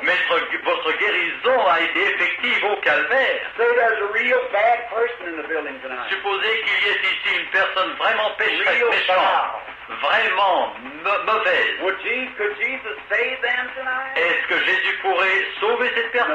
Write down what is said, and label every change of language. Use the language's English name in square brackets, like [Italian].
[French] Mais votre guérison a été effective au calvaire. [English] Say there's a real bad person in the building tonight. [French] Supposez qu'il y ait ici une personne vraiment méchante. Vraiment mauvaise. [English] Would Jesus, could Jesus save them tonight? [French] Est-ce que Jésus pourrait sauver cette personne